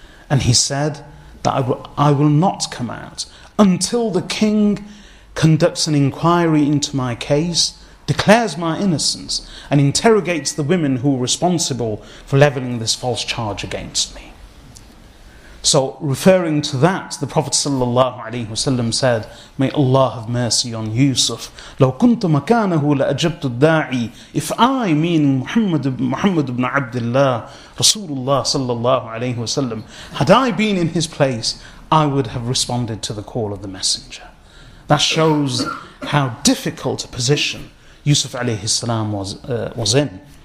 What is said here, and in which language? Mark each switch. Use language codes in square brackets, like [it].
[en] And he said that I will not come out until the king conducts an inquiry into my case, declares my innocence, and interrogates the women who are responsible for levelling this false charge against me. So referring to that, the Prophet sallallahu alaihi wasallam said, may Allah have mercy on Yusuf. [ar] لو كنت مكانه لأجبت الداعي. [en] If I, meaning Muhammad ibn Abdullah, Rasulullah sallallahu alaihi wasallam, had I been in his place, I would have responded to the call of the messenger. That shows how difficult a position Yusuf alayhi salam was in.